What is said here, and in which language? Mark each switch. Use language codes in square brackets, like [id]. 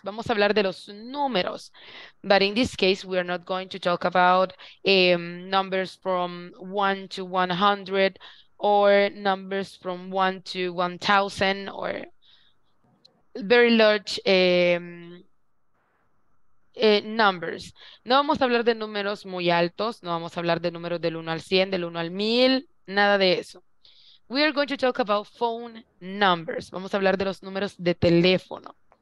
[es] Vamos a hablar de los números. [en] But in this case, we are not going to talk about numbers from 1 to 100 or numbers from 1 to 1,000 or very large numbers. [es] No vamos a hablar de números muy altos. No vamos a hablar de números del 1 al 100, del 1 al 1,000. Nada de eso. [en] We are going to talk about phone numbers. [es] Vamos a hablar de los números de teléfono.